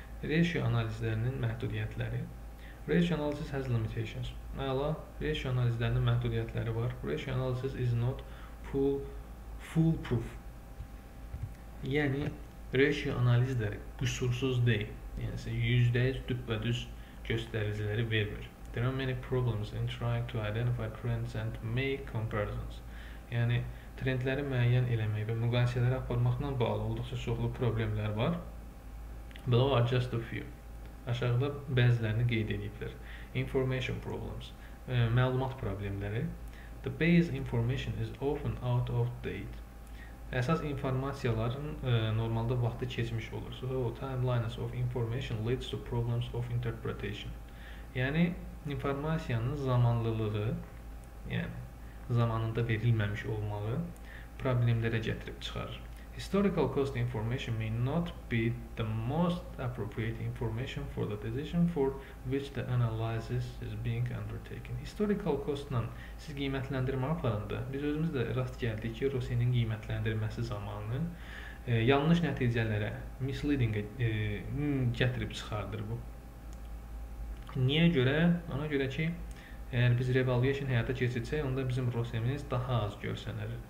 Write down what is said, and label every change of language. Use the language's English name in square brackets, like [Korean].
[Azerbaijani] Ratio analizlərinin məhdudiyyətləri. [English] Ratio analysis has limitations. [Azerbaijani] Əla, ratio analizlərinin məhdudiyyətləri var. [English] Ratio analysis is not foolproof. [Azerbaijani] Yəni, ratio analizləri qüsursuz deyil. Yəni, isə 100% düpbədüz göstəriciləri vermir. [English] There are many problems in trying to identify trends and make comparisons. [Azerbaijani] Yəni, trendləri müəyyən eləmək və müqayisələri aparmaqla bağlı olduqca çoxlu problemlər var. [English] Below are just a few. [Azerbaijani] Aşağıda bəzilərini qeyd ediblər. [English] Information problems. [Azerbaijani] Məlumat problemləri. [English] The base information is often out of date. [Azerbaijani] Əsas informasiyaların normalda vaxtı keçmiş olur. [English] So, timelines of information leads to problems of interpretation. [Azerbaijani] Yəni, informasiyanın zamanlılığı, yəni zamanında verilməmiş olmağı problemlərə gətirib çıxarır. [English] Historical cost information may not be the most appropriate information for the decision for which the analysis is being undertaken. [Azerbaijani] Historical cost-la siz qiymətləndirmə aparanda biz özümüz də rast gəldik ki, Rusiyanın qiymətləndirməsi zamanı yanlış nəticələrə, misleading-ə gətirib çıxardır bu. Niyə görə? Ona görə ki, əgər biz revaluation həyata keçirsək, onda bizim Rusiyamız daha az görsənər.